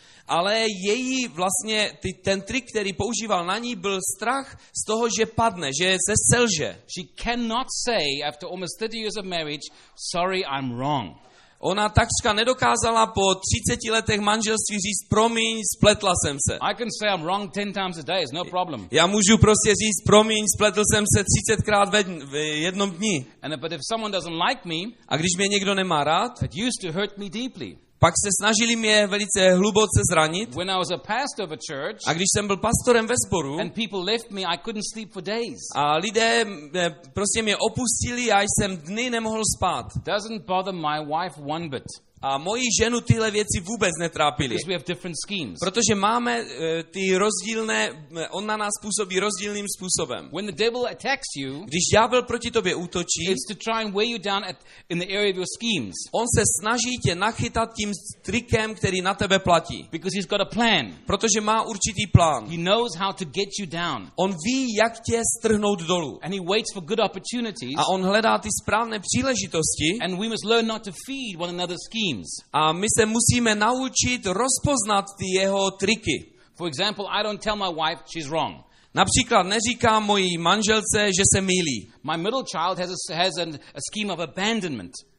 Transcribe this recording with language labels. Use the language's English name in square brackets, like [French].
[Czech] Ale její vlastně ten trik, který používal na ní, byl strach z toho, že padne, že se selže. [English] She cannot say after almost 30 years of marriage, sorry, I'm wrong. [Czech] Ona takřka nedokázala po 30 letech manželství říct, promiň, spletla jsem se. [English] I can say I'm wrong 10 times a day, it's no problem. [Czech] Já můžu prostě říct, promiň, spletl jsem se 30krát v jednom dni. [English] And but if someone doesn't like me, [Czech] a když mě někdo nemá rád, [English] it used to hurt me deeply. [Czech] Pak se snažili mě velice hluboce zranit. [English] When I was a pastor of a church, [Czech] a když jsem byl pastorem ve sboru, [English] and people left me, I couldn't sleep for days. [Czech] A lidé prostě mě opustili a jsem dny nemohl spát. [English] Doesn't bother my wife one bit. [Czech] A moji ženu tyhle věci vůbec netrápily. [English] Because we have different schemes. [Czech] Protože máme ty rozdílné, on na nás působí rozdílným způsobem. [English] When the devil attacks you, [Czech] když ďábel proti tobě útočí, [English] it's to try and weigh you down in the area of your schemes. [Czech] On se snaží tě nachytat tím trikem, který na tebe platí. [English] Because he's got a plan. [Czech] Protože má určitý plán. [English] He knows how to get you down. [Czech] On ví, jak tě strhnout dolů. [English] And he waits for good opportunities. [Czech] A on hledá ty správné příležitosti. [English] And we must learn not to feed one another's schemes. [Czech] A my se musíme naučit rozpoznat ty jeho triky. [English] For example, I don't tell my wife she's wrong. [Czech] Například neříkám mojí manželce, že se mýlí. [English] My middle child has a scheme of abandonment.